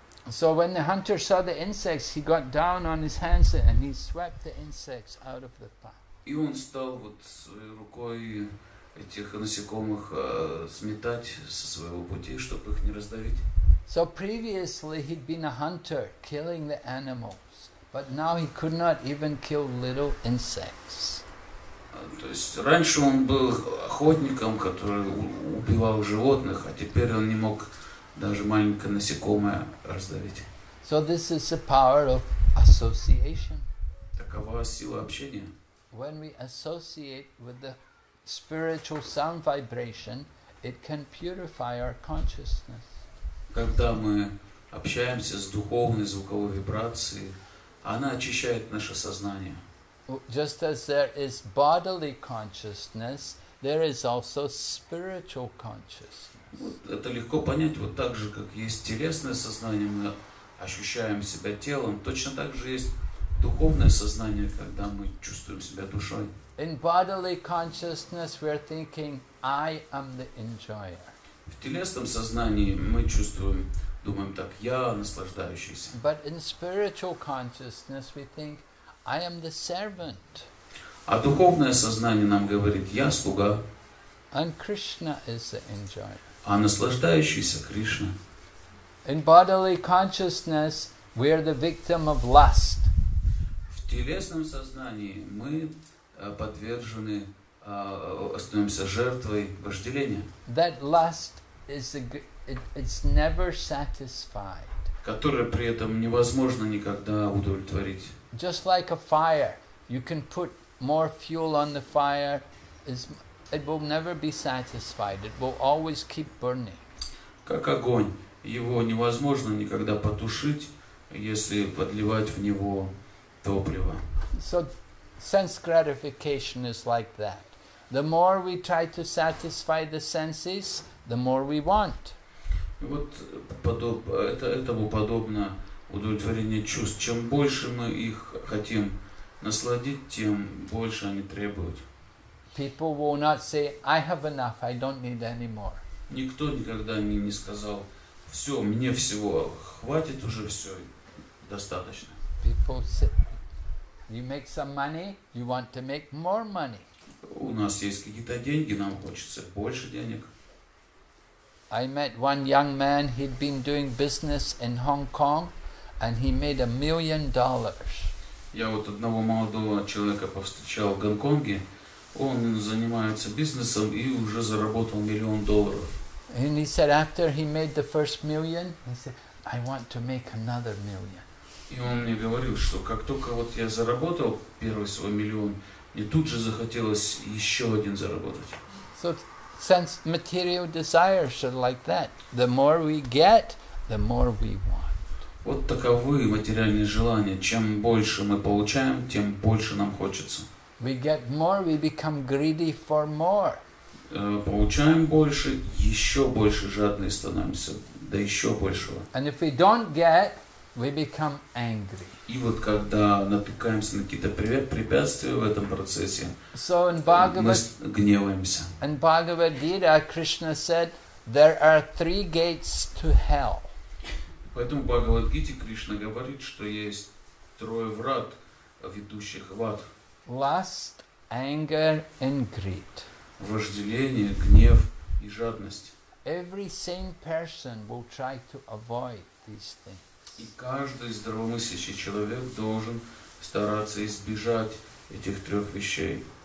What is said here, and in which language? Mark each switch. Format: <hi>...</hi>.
<en>So when the hunter saw the insects, he got down on his hands and he swept the insects out of the path.</en> <ru>И он стал вот рукой этих насекомых сметать со своего пути, чтобы их не раздавить.</ru> <en>So previously he'd been a hunter, killing the animals, but now he could not even kill little insects.</en> <ru>То есть раньше он был охотником, который убивал животных, а теперь он не мог даже маленькое насекомое раздавить.</ru> <en>So this is the power of association.</en> <ru>Такова сила общения.</ru> <en>When we associate with the spiritual sound vibration, it can purify our consciousness.</en> <ru>Когда мы общаемся с духовной звуковой вибрацией, она очищает наше сознание.</ru> <en>Just as there is bodily consciousness, there is also spiritual consciousness.</en> <ru>Вот это легко понять. Вот так же, как есть телесное сознание, мы ощущаем себя телом, точно так же есть духовное сознание, когда мы чувствуем себя душой.</ru> <en>In bodily consciousness, we are thinking, I am the enjoyer.</en> <ru>В телесном сознании мы чувствуем, думаем так, я наслаждающийся.</ru> <en>But in spiritual consciousness, we think, I am the servant.</en> <ru>А духовное сознание нам говорит, я слуга.</ru> <en>And Krishna is the enjoyer.</en> <ru>А наслаждающийся Кришна.</ru> <en>In bodily consciousness, we are the victim of lust.</en> <ru>В телесном сознании мы подвержены, становимся жертвой вожделения.</ru> <en>That lust is it's never satisfied.</en> <ru>Которое при этом невозможно никогда удовлетворить.</ru> <en>Just like a fire, you can put more fuel on the fire, it will never be satisfied, it will always keep burning.</en> <ru>Как огонь, его невозможно никогда потушить, если подливать в него топливо.</ru> <en>So, sense gratification is like that. The more we try to satisfy the senses, the more we want.</en> <ru>Вот этому подобно. Удовлетворение чувств. Чем больше мы их хотим насладить, тем больше они требуют.</ru> <en>People will not say, I have enough, I don't need any more.</en> <ru>Никто никогда не сказал, все, мне всего хватит уже, все, достаточно.</ru> <en>People say, you make some money, you want to make more money.</en> <ru>У нас есть какие-то деньги, нам хочется больше денег.</ru> <en>I met one young man, he'd been doing business in Hong Kong. And he made $1 million.</en> <ru>Я вот одного молодого человека повстречал в Гонконге. Он занимается бизнесом и уже заработал $1 million.</ru> <en>And he said after he made the first million, he said, I want to make another million.</en> <ru>И он мне говорил, что как только вот я заработал первый свой миллион, мне тут же захотелось еще один заработать.</ru> <en>So sense material desires are like that. The more we get, the more we want.</en> <ru>Вот таковы материальные желания. Чем больше мы получаем, тем больше нам хочется.</ru> <en>We get more, we become greedy for more.</en> <ru>Получаем больше, еще больше жадные становимся, да еще большего.</ru> <en>And if we don't get, we become angry.</en> <ru>И вот когда натыкаемся на какие-то препятствия в этом процессе,</ru> <en>so in Bhagavad,</en> <ru>мы гневаемся.</ru> <en>In Bhagavad Gita, Krishna said, there are three gates to hell.</en> <ru>Поэтому в Бхагавад-гите Кришна говорит, что есть трое врат, ведущих в ад.</ru> <en>Lust, anger and greed.</en> <ru>Вожделение, гнев и жадность.</ru> <en>Every sane person will try to avoid these things.</en> <ru>И каждый здравомыслящий человек должен стараться избежать этих трех вещей.</ru>